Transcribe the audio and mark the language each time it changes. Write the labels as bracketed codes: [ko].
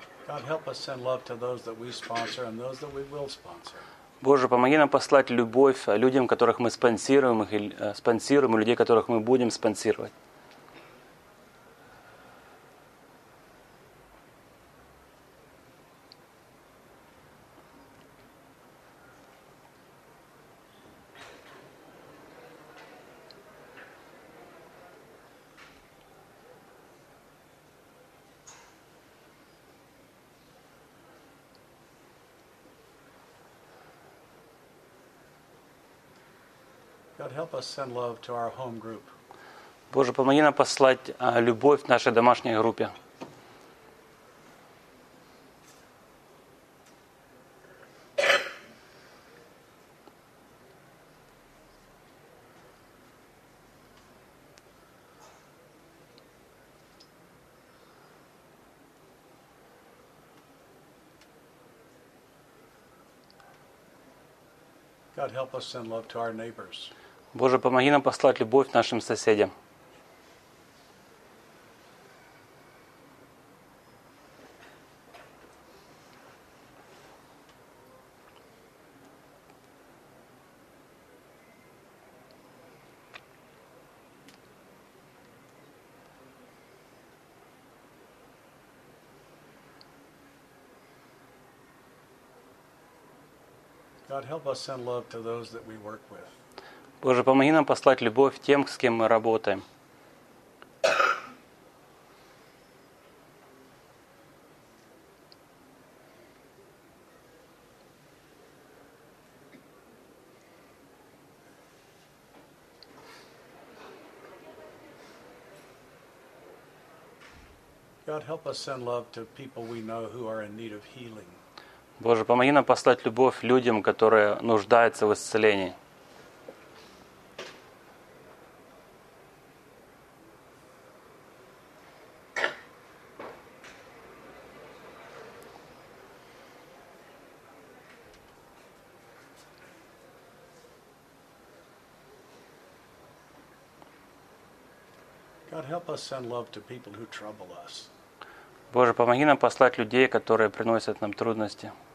[en] God, help us send love to those that we sponsor and those that we will sponsor. [ru] Боже, помоги нам послать любовь людям, которых мы спонсируем, их спонсируем, и людей, которых мы будем спонсировать. [en] God, help us send love to our home group. [ru] Боже, помоги нам послать любовь нашей домашней группе. [en] God, help us send love to our neighbors. [ru] Боже, помоги нам послать любовь нашим соседям. [en] God, help us send love to those that we work with. [ru] Боже, помоги нам послать любовь тем, с кем мы работаем. [en] God, help us send love to people we know who are in need of healing. [ru] Боже, помоги нам послать любовь людям, которые нуждаются в исцелении. [en] Help us send love to people who trouble us. [ru] Боже, помоги нам послать людей, которые приносят нам трудности.